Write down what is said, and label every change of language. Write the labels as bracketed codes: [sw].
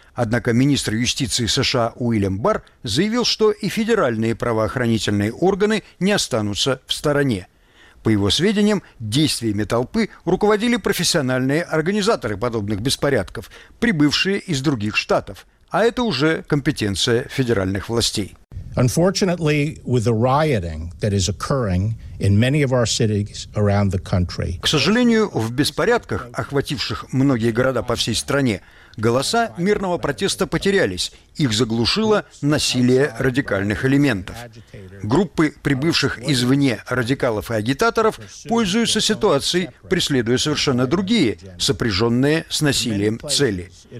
[ru] Однако министр юстиции США Уильям Барр заявил, что и федеральные правоохранительные органы не останутся в стороне. По его сведениям, действиями толпы руководили профессиональные организаторы подобных беспорядков, прибывшие из других штатов, а это уже компетенция федеральных властей. [en] Unfortunately, with the rioting that is occurring in many of our cities around the country. [ru] К сожалению, в беспорядках, охвативших многие города по всей стране, голоса мирного протеста потерялись, их заглушило насилие радикальных элементов. Группы прибывших извне радикалов и агитаторов пользуются ситуацией, преследуя совершенно другие, сопряженные с насилием цели.